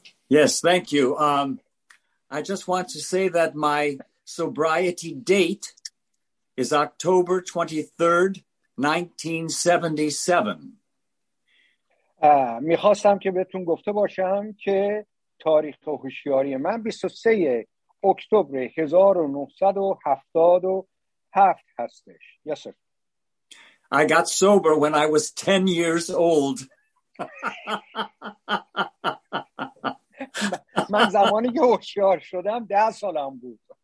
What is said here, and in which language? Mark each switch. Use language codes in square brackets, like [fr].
[en] Yes, thank you. I just want to say that my sobriety date is October 23rd, 1977. [fa] میخواستم که بهتون گفته باشم که تاریخ هوشیاری من 23 اکتبر 1977 هستش. [en] Yes, sir. I got sober when I was 10 years old. [fa] من زمانی که هوشیار شدم 10 سالم بود.